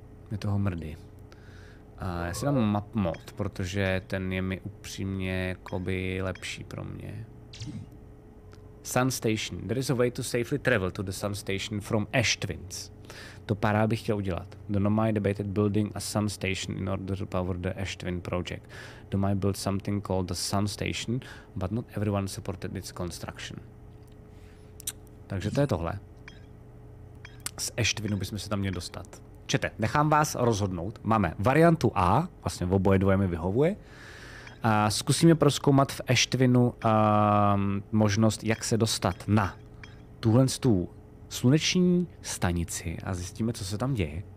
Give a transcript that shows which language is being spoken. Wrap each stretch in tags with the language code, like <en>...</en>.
<cs>Je toho mrdy. Já si dám map mod, protože ten je mi upřímně jakoby lepší pro mě. Sun Station.</cs> <en>There is a way to safely travel to the Sun Station from Ash Twins.</en> <cs>To pará bych chtěl udělat.</cs> <en>Do Nomai debated building a Sun Station in order to power the Ash Twin project. Nomai built something called the Sun Station, but not everyone supported its construction.</en> <cs>Takže to je tohle. Z Ash Twinu bychom se tam měli dostat. Čete, nechám vás rozhodnout. Máme variantu A, vlastně v oboje dvoje mi vyhovuje. Zkusíme prozkoumat v Ash Twinu možnost, jak se dostat na tuhle tu sluneční stanici a zjistíme, co se tam děje.</cs>